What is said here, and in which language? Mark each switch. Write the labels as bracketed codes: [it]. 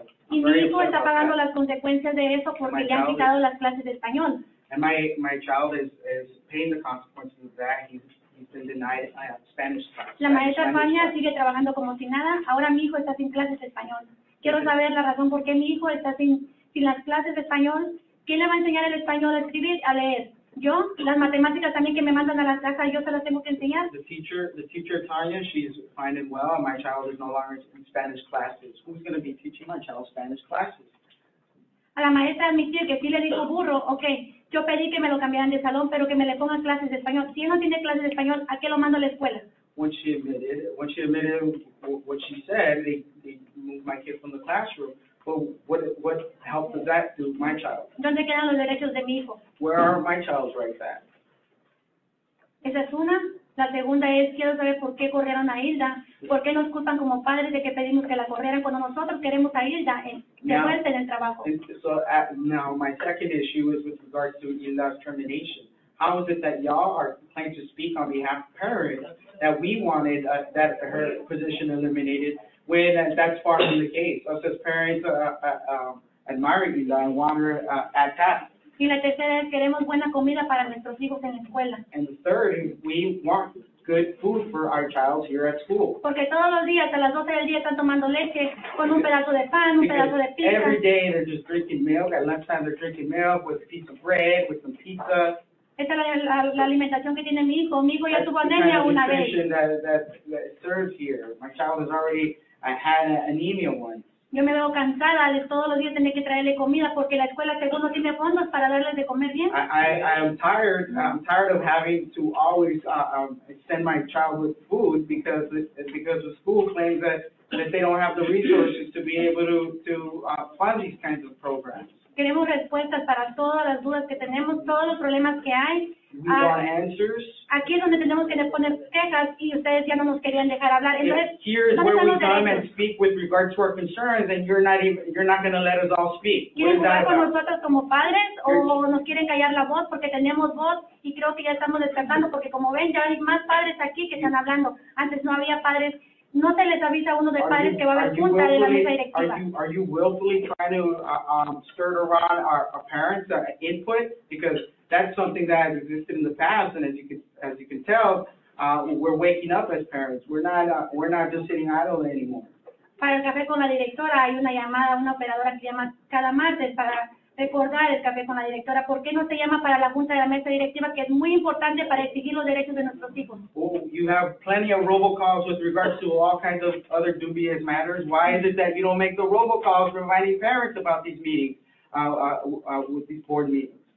[es] Y mi hijo está pagando las consecuencias de eso porque le han quitado las clases de español. [en] And my child is paying the consequences of that. He's been denied Spanish class. [es] La maestra Arpaña sigue trabajando como si nada. Ahora mi hijo está sin clases de español. Quiero saber la razón por qué mi hijo está sin las clases de español. ¿Quién le va a enseñar el español a escribir, a leer? ¿Yo? Las matemáticas también que me mandan a la casa, yo se las tengo que enseñar. [en] The teacher Tanya, she's fine and well. My child is no longer in Spanish classes. Who's going to be teaching my child Spanish classes? [es] A la maestra admitir que sí le dijo burro, okay. Yo pedí que me lo cambiaran de salón, pero que me le pongan clases de español. Si él no tiene clases de español, ¿a qué lo mando a la escuela? [en] When she admitted what she said, they moved my kid from the classroom. But what help does that do my child? [es] ¿Dónde quedan los derechos de mi hijo? [en] Where are my child's rights at? [es] Esa es una. La segunda es, quiero saber por qué corrieron a Hilda. ¿Por qué nos culpan como padres de que pedimos que la corrieran cuando nosotros queremos a Hilda de vuelta en el trabajo? [en] Now, my second issue is with regard to Hilda's termination. How is it that y'all are trying to speak on behalf of parents that we wanted that her position eliminated when that's far from the case? Us as parents admire Hilda and want her at task. [es] Y la tercera es, queremos buena comida para nuestros hijos en la escuela. [en] And the third, we want good food for our child here at school. [es] Porque todos los días, a las 12 del día, están tomando leche con un pedazo de pan, un pedazo de pizza. [en] Every day they're just drinking milk. At lunchtime they're drinking milk with a piece of bread, with some pizza. [es] Esa es la alimentación que tiene mi hijo. Mi hijo ya tuvo anemia una vez. [en] That's the kind of nutrition that serves here. My child has already had anemia once. [es] Yo me veo cansada de todos los días tener que traerle comida porque la escuela según no tiene fondos para darles de comer bien. [en] I'm tired of having to always send my child with food because the school claims that they don't have the resources to be able to fund these kinds of programs. [es] Queremos respuestas para todas las dudas que tenemos, todos los problemas que hay. [en] We want answers. [es] Aquí es donde tenemos que poner quejas y ustedes ya no nos querían dejar hablar. Entonces, [en] here is where we come and speak with regard to our concerns, and you're not going to let us all speak. [es] ¿Quieren jugar con nosotros como padres o nos quieren callar la voz porque tenemos voz y creo que ya estamos despertando porque como ven ya hay más padres aquí que están hablando. Antes no había padres. No se les avisa a uno de padres que va a haber junta de la mesa directiva. [en] Are you willfully trying to stir around our parents' input? Because that's something that has existed in the past, and as you can tell, we're waking up as parents. We're not just sitting idle anymore. [es] Para el café con la directora hay una llamada, una operadora que llama cada martes para recordar el café con la directora. ¿Por qué no se llama para la junta de la mesa directiva que es muy importante para exigir los derechos de nuestros hijos? [en] Oh, you have plenty of robocalls with regards to all kinds of other dubious matters. Why is it that you don't make the robocalls reminding parents about these meetings, with these board meetings?